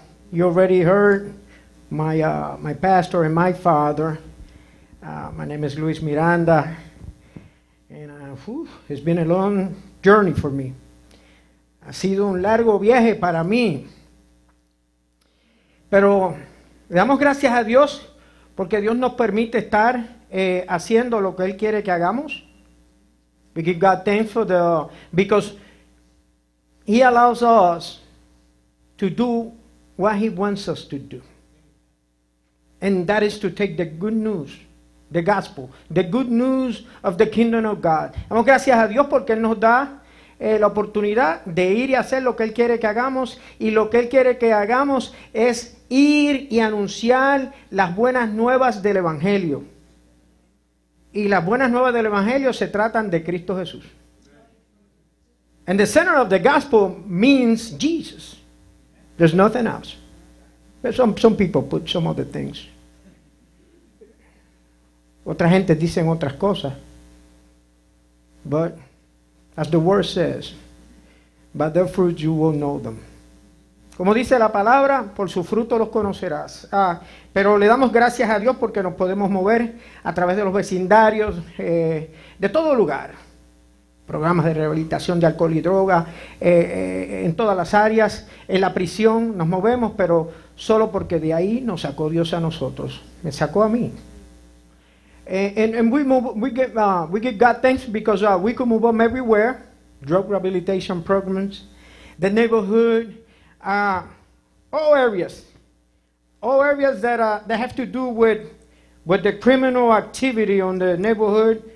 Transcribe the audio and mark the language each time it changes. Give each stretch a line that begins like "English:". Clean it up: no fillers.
English: You already heard my pastor and my father. My name is Luis Miranda, and it's been a long journey for me.
Spanish: Ha sido un largo viaje para mí. Pero le damos gracias a Dios porque Dios nos permite estar haciendo lo que Él quiere que hagamos.
English: We give God thanks for the because He allows us to do what He wants us to do. And that is to take the good news. The gospel, the good news of the kingdom of God.
Spanish: Damos gracias a Dios porque Él nos da la oportunidad de ir y hacer lo que Él quiere que hagamos. Y lo que Él quiere que hagamos es ir y anunciar las buenas nuevas del Evangelio. Y las buenas nuevas del Evangelio se tratan de Cristo Jesús.
English: And the center of the gospel means Jesus. There's nothing else. But some people put some other things.
Spanish: Otra gente dicen otras cosas.
English: But as the word says, by their fruits you will know them.
Spanish: Como dice la palabra, por su fruto los conocerás. Pero le damos gracias a Dios porque nos podemos mover a través de los vecindarios, de todo lugar. Programas de rehabilitación de alcohol y droga, en todas las áreas, en la prisión nos movemos, pero solo porque de ahí nos sacó Dios a nosotros. Me sacó a mí.
English: And we give God thanks because we could move them everywhere, drug rehabilitation programs, the neighborhood, all areas that that have to do with the criminal activity on the neighborhood.